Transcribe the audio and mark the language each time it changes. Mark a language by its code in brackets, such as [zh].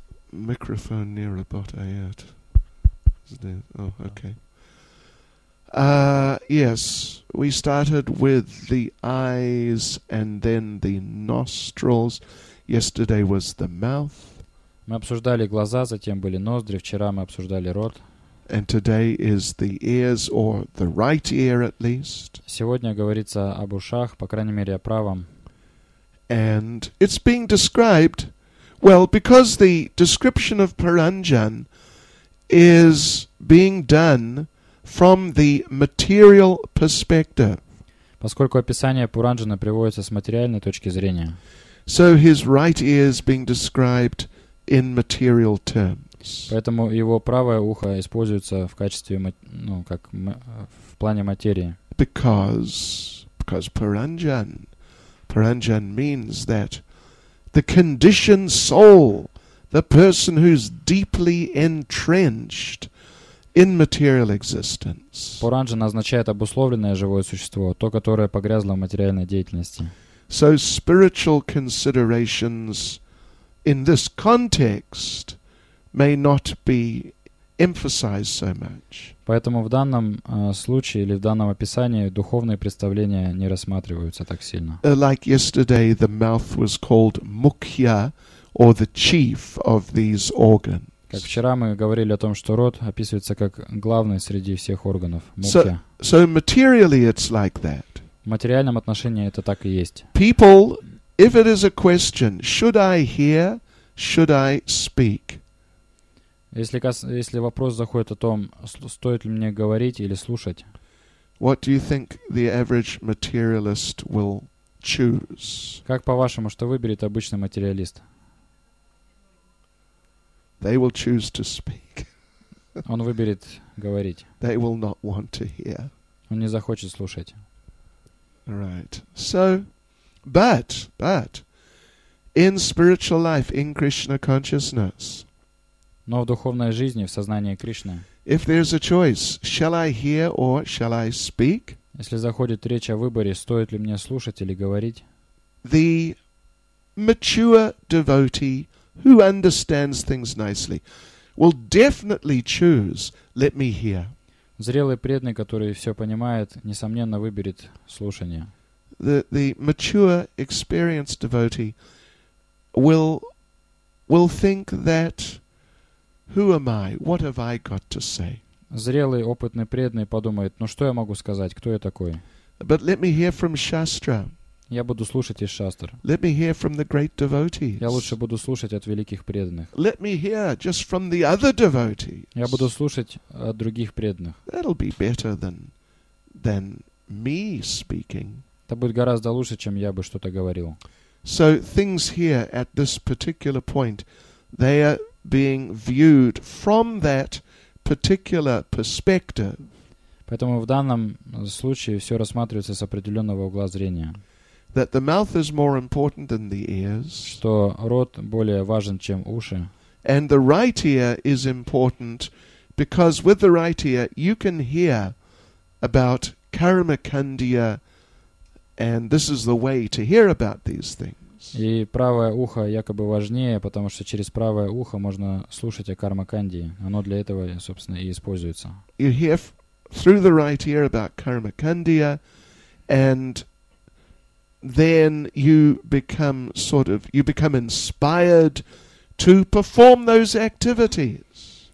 [en] Microphone near a bot, I heard. Oh, okay. Yes, we started with the eyes and then the nostrils. Yesterday was the mouth. [ru] Мы обсуждали глаза, затем были ноздри, вчера мы обсуждали рот. [en] And today is the ears, or the right ear at least. [ru] Сегодня говорится об ушах, по крайней мере, о правом. [en] And it's being described, well, because the description of Paranjan is being done from the material perspective. [ru] Поскольку описание Паранджана приводится с материальной точки зрения. [en] So his right ear is being described in material terms. [ru] Поэтому его правое ухо используется в качестве, ну, как в плане материи. [en] Because Paranjan means that the conditioned soul, the person who's deeply entrenched in material existence. [ru] Паранджана означает обусловленное живое существо, то, которое погрязло в материальной деятельности. [en] So spiritual considerations in this context may not be emphasized so much. [ru] Поэтому в данном случае или в данном описании духовные представления не рассматриваются так сильно. [en] Like yesterday, the mouth was called mukhya, or the chief of these organs. [ru] Как вчера мы говорили о том, что рот описывается как главный среди всех органов. [en] So materially it's like that. [ru] В материальном отношении это так и есть. [en] People, if it is a question, should I hear, should I speak? [ru] Если вопрос заходит о том, стоит ли мне говорить или слушать? [en] What do you think the average materialist will choose? [ru] Как по-вашему, что выберет обычный материалист? [en] They will choose to speak. [ru] Он выберет говорить. [en] They will not want to hear. [ru] Он не захочет слушать. [en] Right. So, but in spiritual life, in Krishna consciousness. [ru] Но в духовной жизни, в сознании Кришны. [en] If there's a choice, shall I hear or shall I speak? [ru] Если заходит речь о выборе, стоит ли мне слушать или говорить? [en] The mature devotee who understands things nicely will definitely choose, let me hear. [ru] Зрелый преданный, который все понимает, несомненно выберет слушание. [en] The mature, experienced devotee will think that who am I? What have I got to say? [ru] Зрелый, опытный преданный подумает: ну что я могу сказать? Кто я такой? [en] But let me hear from Shastra. [ru] Я буду слушать из шастр. [en] Let me hear from the great devotees. [ru] Я лучше буду слушать от великих преданных. [en] Let me hear just from the other devotees. [ru] Я буду слушать от других преданных. [en] That'll be better than me speaking. [ru] Это будет гораздо лучше, чем я бы что-то говорил. [en] So things here at this particular point, they are being viewed from that particular perspective. [ru] Поэтому в данном случае все рассматривается с определенного угла зрения. [en] That the mouth is more important than the ears. [ru] Что рот более важен, чем уши. [en] And the right ear is important because with the right ear you can hear about Karmakandiya, and this is the way to hear about these things. [ru] И правое ухо якобы важнее, потому что через правое ухо можно слушать о Кармакандии. Оно для этого, собственно, и используется. [en] You hear through the right ear about Karmakandiya, and then you become inspired to perform those activities.